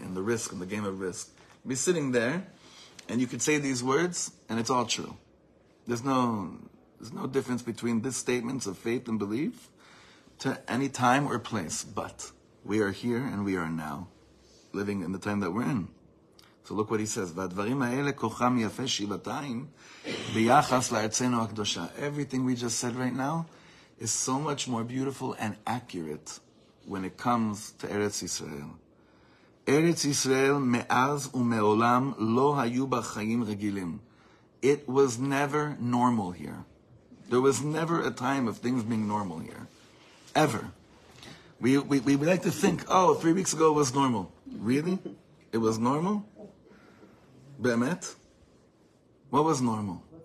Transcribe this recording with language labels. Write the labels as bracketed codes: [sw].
[en] And the Risk, and the game of Risk. You'd be sitting there, and you could say these words, and it's all true. There's no difference between this statements of faith and belief to any time or place. But we are here, and we are now, living in the time that we're in. So look what he says. [he] והדברים האלה כוחם יפה שבעתיים ביחס לארצנו הקדושה. [en] Everything we just said right now is so much more beautiful and accurate when it comes to Eretz Yisrael. Eretz Yisrael [he] מאז ומעולם לא היו בה חיים רגילים. [en] It was never normal here. There was never a time of things being normal here. Ever. We like to think, oh, 3 weeks ago was normal. Really? It was normal? Bemet? What was normal?